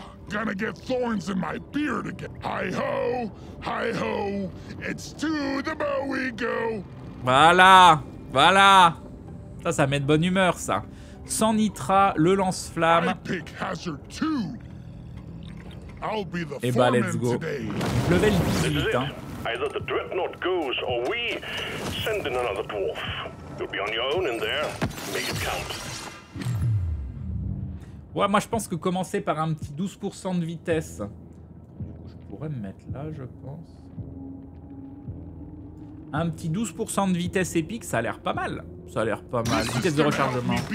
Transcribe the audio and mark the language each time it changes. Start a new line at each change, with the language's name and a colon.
English: Gonna get thorns in my beard again. Hi ho, hi ho, it's to the bow we go.
French: Voilà, voilà. Ça, ça met de bonne humeur, ça. Sans nitra, le lance-flamme.
English: I pick hazard two. I'll be the foreman today.
French: Eh ben,
English: let's go. Level 18, hein. Either the dreadnought goes or we send in another dwarf. You'll be on your own in there. Make it count.
French: Ouais, moi je pense que commencer par un petit 12% de vitesse. Je pourrais me mettre là, je pense. Un petit 12% de vitesse épique, ça a l'air pas mal. Ça a l'air pas mal. Vitesse de rechargement.